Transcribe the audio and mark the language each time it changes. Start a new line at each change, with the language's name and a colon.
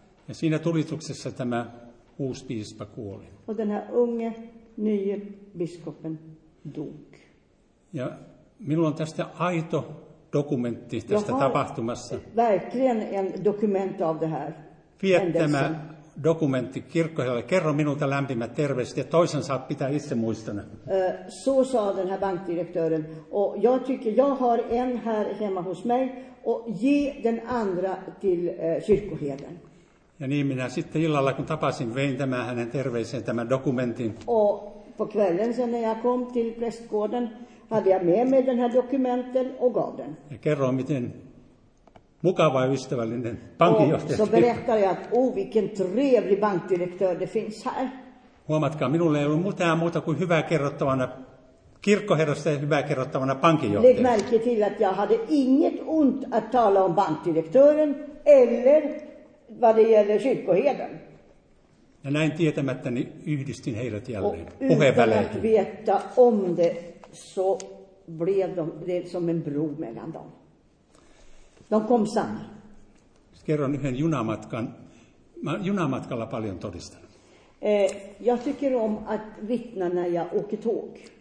Finnish: Ja siinä tulituksessa tämä uusi piispa kuoli.
Swedish: Och den här unge, nye biskopen dog.
Finnish: Ja minulla on tästä aito dokumentti tästä tapahtumassa.
Swedish: Verkligen en dokument av det här.
Finnish: Viettämä dokumentti kirkkoherralle, kerro minulta lämpimät terveiset ja toisen saa pitää itse muistona.
Swedish: Så sa den här bankdirektören. Och jag tycker jag har en här hemma hos mig och ge den andra till kyrkoherden.
Finnish: Ja niin minä sitten illalla kun tapasin, vein tämän hänen terveiseen tämän dokumentin.
Swedish: Och på kvällen sen när jag kom till prästgården hade jag med mig den här dokumenten och gav den.
Finnish: Ja kerro miten mukava ja ystävällinen pankinjohtaja.
Swedish: Så berättar jag att, vilken trevlig bankdirektör det finns här.
Finnish: Huomatkaa, minulle ei ollut mitään muuta kuin hyvää kerrottavana kirkkoherrasta ja hyvää kerrottavana pankinjohtaja.
Swedish: Lägg märke till att jag hade inget ont att tala om bankdirektören eller vad det gäller kyrkoheden.
Finnish: Ja näin tietämättäni yhdistin heidät jälleen puheenväleihin.
Swedish: Och utan att veta om det så blev det som en bro mellan dem. De kom samman.
Finnish: Kerron yhden junamatkan. Mä junamatkalla paljon todistan.
Swedish: Jag tycker om att vittna när jag åker tåg.